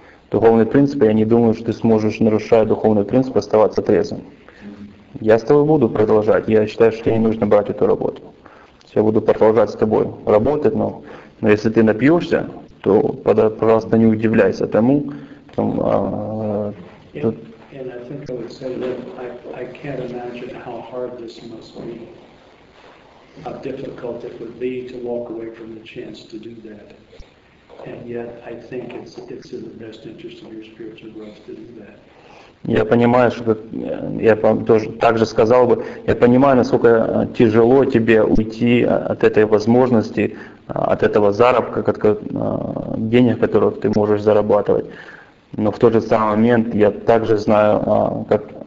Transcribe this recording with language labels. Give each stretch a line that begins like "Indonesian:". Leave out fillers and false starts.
Russian: Духовные принципы, я не думаю, что ты сможешь, нарушая духовные принципы, оставаться трезвым. Я с тобой буду продолжать, я считаю, что тебе не нужно брать эту работу. Я буду продолжать с тобой работать, но если ты напьешься, то, пожалуйста, не удивляйся тому, что...
English: And I think I would say that I can't imagine how hard this must be, how difficult it would be to walk away from the chance to do that. And yet, I think it's in the best interest of your spiritual growth to do that.
Russian: Я понимаю, что я тоже так же сказал бы, я понимаю, насколько тяжело тебе уйти от этой возможности, от этого заработка, от денег, которых ты можешь зарабатывать. Но в тот же самый момент я также знаю, как,